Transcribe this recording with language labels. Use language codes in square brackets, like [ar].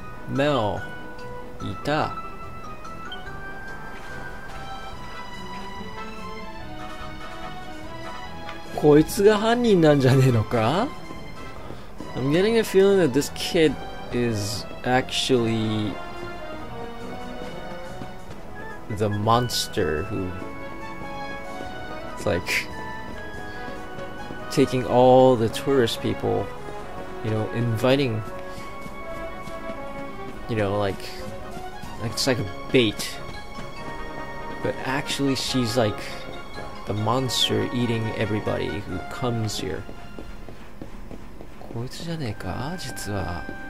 [ja] メオ、いた。こいつが犯人なんじゃねえのか？ [en] I'm getting a feeling that this kid is actuallythe monster who is like taking all the tourist people, you know, inviting, you know, like it's like a bait, but actually she's like the monster eating everybody who comes here. [ja] こいつじゃねえか、実は。